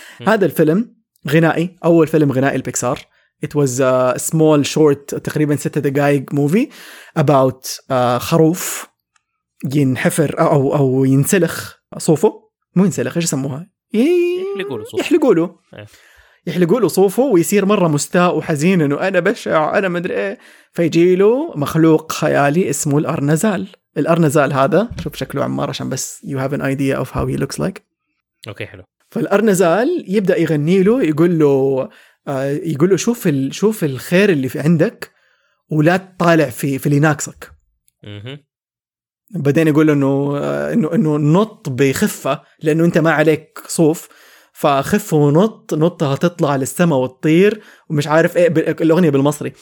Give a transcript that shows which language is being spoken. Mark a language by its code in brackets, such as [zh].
[ar] هذا الفيلم غنائي, اول فيلم غنائي لبيكسار. [en] it was a small short [ar] تقريبا 6 دقائق [en] movie about [ar] خروف ينحفر او ينسلخ صوفه, مو ينسلخ ايش يسموها, يحلقوا له يحلقوا له صوفه ويصير مره مستاء وحزين انه انا بشع انا مدري ايه. فيجي له مخلوق خيالي اسمه الارنزال. الارنزال هذا شوف شكله عمار عشان بس [en] you have an idea of how he looks like. [ar] اوكي حلو. فالارنزال يبدا يغني له يقول له شوف الخير اللي في عندك ولا تطالع في اللي ناقصك. بعدين يقول له انه نط بخفه لانه انت ما عليك صوف, فخف ونط نطها تطلع للسماء وتطير ومش عارف ايه الاغنيه بالمصري.